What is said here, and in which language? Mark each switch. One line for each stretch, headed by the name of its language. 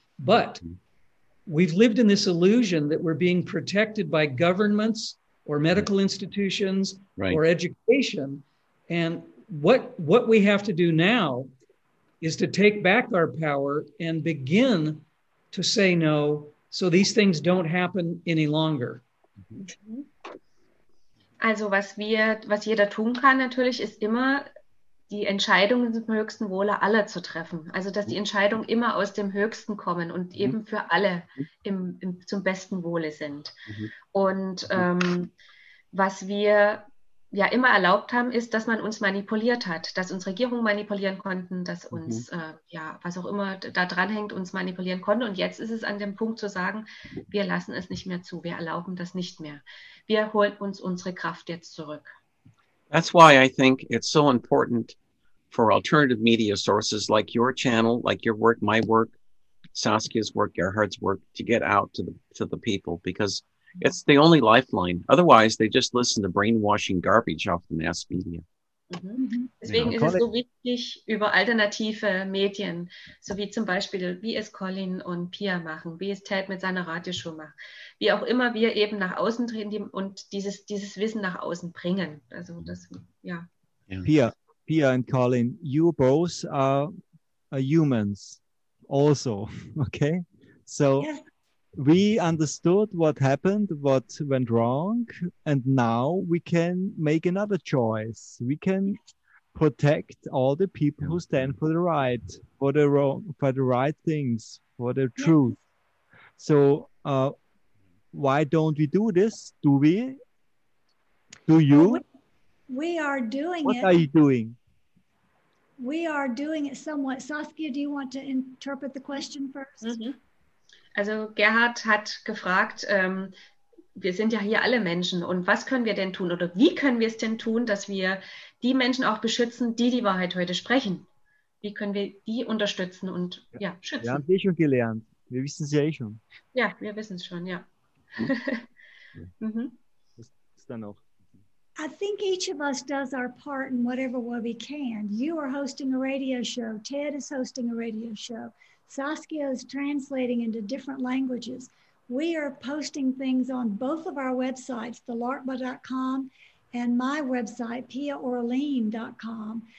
English: But we've lived in this illusion that we're being protected by governments or medical institutions or education. And what we have to do now is to take back our power and begin to say no, so these things don't happen any longer.
German: Also was jeder tun kann natürlich ist immer die Entscheidungen zum höchsten Wohle aller zu treffen. Also, dass die Entscheidungen immer aus dem Höchsten kommen und eben für alle zum besten Wohle sind. Und was wir ja immer erlaubt haben, ist, dass man uns manipuliert hat, dass uns Regierungen manipulieren konnten, dass uns, ja, was auch immer da dranhängt, uns manipulieren konnte. Und jetzt ist es an dem Punkt zu sagen, wir lassen es nicht mehr zu, wir erlauben das nicht mehr. Wir holen uns unsere Kraft jetzt zurück.
English: That's why I think it's so important for alternative media sources like your channel, like your work, my work, Saskia's work, Gerhard's work, to get out to the people, because it's the only lifeline. Otherwise, they just listen to brainwashing garbage off the mass media.
German: Deswegen ist es so wichtig, über alternative Medien, so wie zum Beispiel, wie es Colin und Pia machen, wie es Ted mit seiner Radioshow macht, wie auch immer wir eben nach außen treten und dieses Wissen nach außen bringen. Also das, ja.
English: Pia and Colin, you both are humans also, okay? So yeah. We understood what happened, what went wrong, and now we can make another choice. We can protect all the people who stand for the right, for the wrong, for the right things, for the truth. Yeah. So why don't we do this? Do we? Do you? We are doing what it. What are you doing? We are doing it somewhat. Saskia, do you want to interpret the question first?
German: Also Gerhard hat gefragt, wir sind ja hier alle Menschen und was können wir denn tun oder wie können wir es denn tun, dass wir die Menschen auch beschützen, die Wahrheit heute sprechen? Wie können wir die unterstützen und ja, schützen? Wir haben es eh schon gelernt. Wir wissen es ja eh schon. Ja, wir wissen es schon, ja. Was ist da noch?
English: I think each of us does our part in whatever way we can. You are hosting a radio show. Ted is hosting a radio show. Saskia is translating into different languages. We are posting things on both of our websites, thelarpba.com and my website, piaorlean.com.